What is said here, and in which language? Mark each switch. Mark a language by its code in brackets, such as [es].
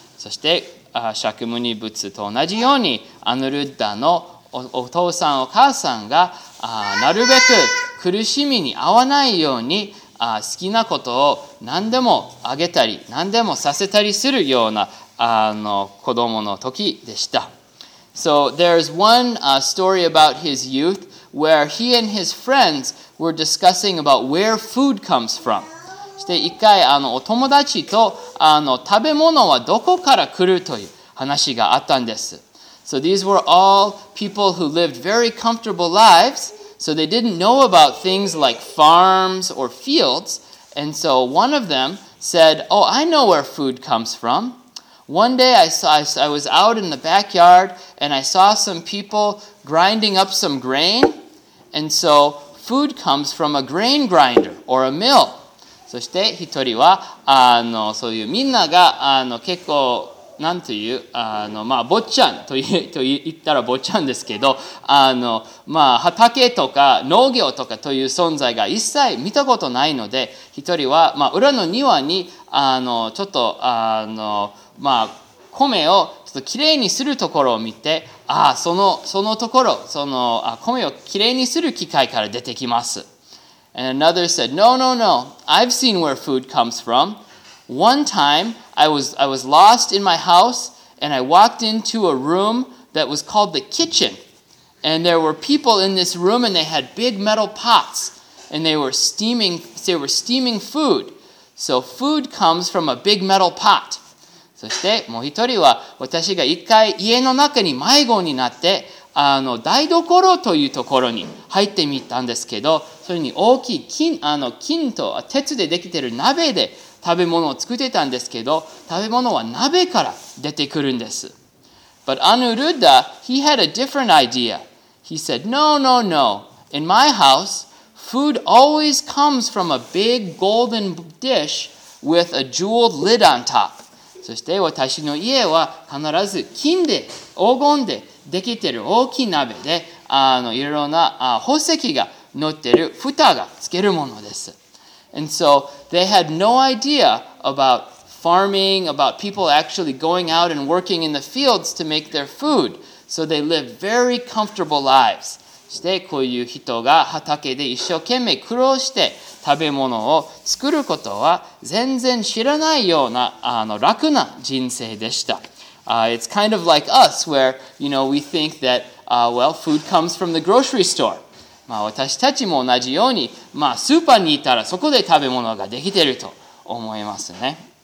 [ja] そして、釈迦仏と同じように、アヌルッダのお父さん、お母さんが、なるべく苦しみに遭わないように、好きなことを何でもあげたり、何でもさせたりするような、子供の時でした。 [en] So there's one story about his youth. Where he and his friends were discussing about where food comes from. [ja] そして一回お友達と食べ物はどこから来るという話があったんです。 [en] So these were all people who lived very comfortable lives, so they didn't know about things like farms or fields. And so one of them said, oh, I know where food comes from. One day I was out in the backyard and I saw some people grinding up some grain. And so, food comes from a grain grinder or a mill. [ja] そして一人は、そういうみんなが、結構なんていう、あの、まあ、坊ちゃんと言ったら坊ちゃんですけど、あの、まあ、畑とか農業とかという存在が一切見たことないので、一人は、まあ、裏の庭に、あの、ちょっと、あの、まあ、米をちょっときれいにするところを見て、ああ、そのところ、その、あ、米をきれいにする機械から出てきます。 [en] And another said, no, no, no, I've seen where food comes from. One time, I was lost in my house, and I walked into a room that was called the kitchen. And there were people in this room, and they had big metal pots, and they were steaming food. So food comes from a big metal pot. [ja] そしてもう一人は私が一回家の中に迷子になってあの台所というところに入ってみたんですけどそれに大きい金と鉄でできている鍋で食べ物を作ってたんですけど食べ物は鍋から出てくるんです。 [en] But Anuruddha, he had a different idea. He said, no, no, no. In my house, food always comes from a big golden dish with a jeweled lid on top. [ja] そして私の家は必ず金で、黄金でできている大きい鍋で、あのいろいろな宝石が乗っている蓋がつけるものです。 [en] And so they had no idea about farming, about people actually going out and working in the fields to make their food. So they lived very comfortable lives. [ja] そしてこういう人が畑で一生懸命苦労して、食べ物を作ることは全然知らないようなあの楽な人生でした。 [en] It's kind of like us, where you know we think that food comes from the grocery store. [ja] まあ私たちも同じようにまあスーパーに行ったらそこで食べ物ができてると思いますね。